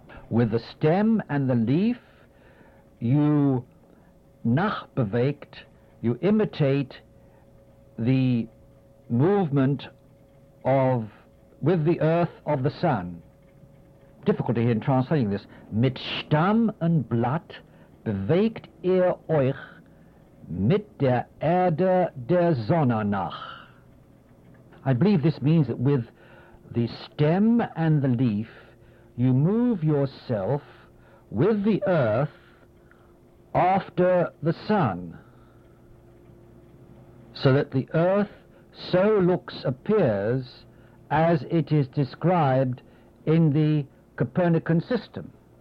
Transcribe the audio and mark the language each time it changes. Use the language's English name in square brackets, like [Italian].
[English] With the stem and the leaf, you nachbewegt, you imitate the movement of, with the earth, of the sun. Difficulty in translating this. [German] Mit Stamm und Blatt bewegt ihr euch mit der Erde der Sonne nach. [English] I believe this means that with the stem and the leaf, you move yourself with the earth after the sun, so that the earth so looks, appears, as it is described in the Copernican system.